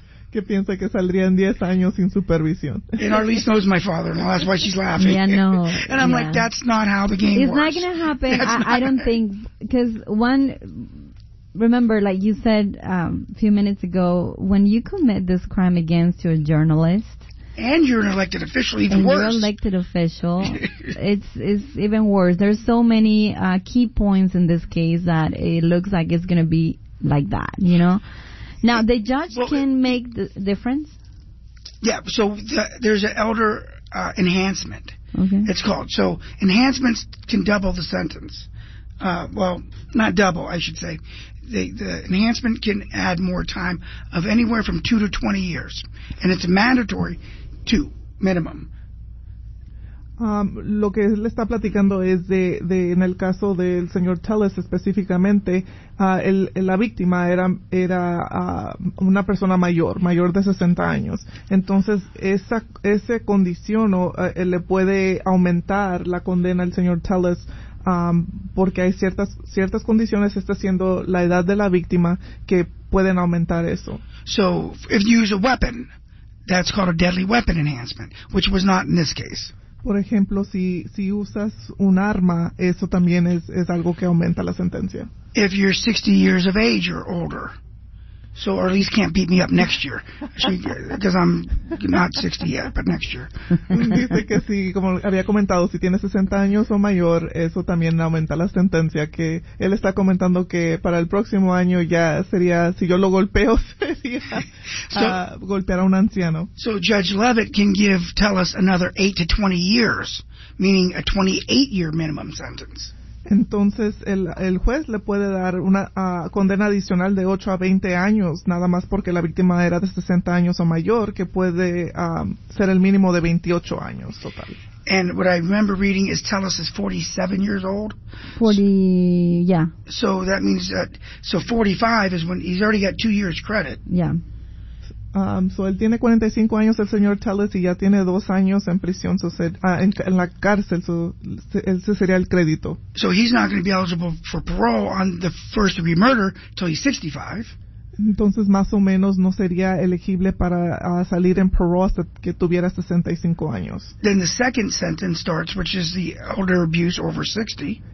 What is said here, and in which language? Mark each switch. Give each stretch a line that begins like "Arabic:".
Spanish: Que piensa que saldría en 10 años sin supervisión.
English: And Arlise knows my father-in-law. That's why she's laughing. Yeah, no. And I'm like, that's not how the game works. It's not going to happen. I don't think. Because one, remember, like you said a few minutes ago, when you commit this crime against your journalist. And you're an elected official, even and worse. And you're an elected official. it's even worse. There's so many key points in this case that it looks like it's going to be like that, you know? Now, the judge can make the difference? Yeah, so there's an elder enhancement, okay. It's called. So enhancements can double the sentence. Well, not double, I should say. The enhancement can add more time of anywhere from 2 to 20 years, and it's mandatory to minimum.
Spanish: Lo que él está platicando es de en el caso del señor TELUS específicamente, la víctima era una persona mayor de 60 años. Entonces, esa condición le puede aumentar la condena al señor TELUS, porque hay ciertas condiciones, está siendo la edad de la víctima, que pueden aumentar eso.
English: So, if you use a weapon, that's called a deadly weapon enhancement, which was not in this case.
Spanish: Por ejemplo, si usas un arma, eso también es algo que aumenta la sentencia.
English: If you're 60 years of age or older. So at least can't beat me up next year. Because I'm not 60 yet, but next year.
Spanish: Dice que si, como había comentado, si tienes 60 años o mayor, eso también aumenta la sentencia. Que él está comentando que para el próximo año ya sería, si yo lo golpeo, sería golpear a un anciano.
English: So Judge Leavitt can give TELUS another 8 to 20 years, meaning a 28-year minimum sentence.
Spanish: Entonces el juez le puede dar una condena adicional de 8 a 20 años, nada más porque la víctima era de 60 años o mayor, que puede ser el mínimo de 28 años total.
English: And what I remember reading is TELUS is 47 years old. 40, yeah. So that means that, so 45 is when he's already got 2 years credit. Yeah.
Spanish: So él tiene 45 años el señor TELUS y ya tiene 2 años en prisión, en la cárcel, ese sería el crédito.
English: So he's not going to be eligible for parole on the first degree murder till he's 65.
Spanish: Entonces más o menos no sería elegible para salir en parole hasta que tuviera 65 años.
English: Then the second sentence starts, which is the elder abuse over 60.